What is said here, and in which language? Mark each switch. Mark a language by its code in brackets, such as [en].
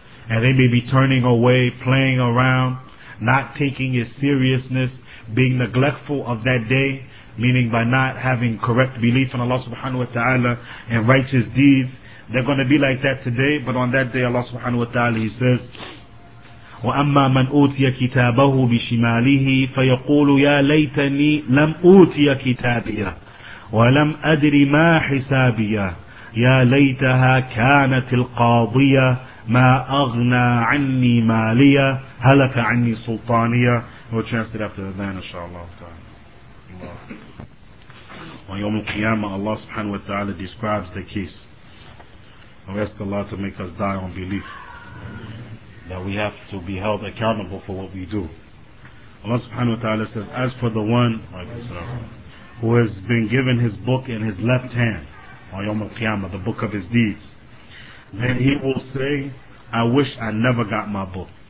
[en] And they may be turning away, playing around, not taking its seriousness, being neglectful of that day, meaning by not having correct belief in Allah subhanahu wa ta'ala and righteous deeds. They're going to be like that today, but on that day Allah subhanahu wa ta'ala, He says, [ar] وَأَمَّا مَنْ أُوْتِيَ كِتَابَهُ بِشِمَالِهِ فَيَقُولُ يَا لَيْتَنِي لَمْ أُوْتِيَ كِتَابِيَهُ وَلَمْ أَدْرِ مَا حِسَابِيَهُ يا ليتها كانت القاضية ما أغنى عني مالية هلك عني سلطانية. [en] We'll translate after that then, inshallah. Allah. On Yawm al-Qiyamah, Allah subhanahu wa ta'ala describes the case. And we ask Allah to make us die on belief that we have to be held accountable for what we do. Allah subhanahu wa ta'ala says, as for the one who has been given his book in his left hand, on Yawm al-Qiyamah, the book of his deeds, then he will say, I wish I never got my book.